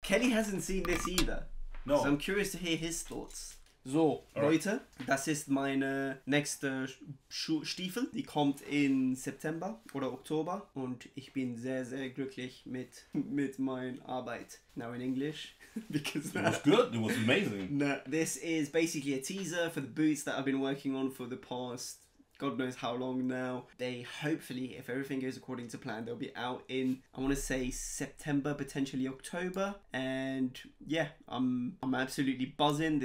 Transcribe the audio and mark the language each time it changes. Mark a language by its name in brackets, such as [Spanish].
[English] Kelly hasn't seen this either. No. So I'm curious to hear his thoughts. So, [German] Leute, das ist meine nächste Stiefel. Die kommt in September oder Oktober. Und ich bin sehr, sehr glücklich mit meiner Arbeit. [English] Now in English. Because it was good. It was amazing. No, this is basically a teaser for the boots that I've been working on for the past God knows how long now. They hopefully, if everything goes according to plan, they'll be out in, I want to say, September, potentially October. And yeah, I'm absolutely buzzing.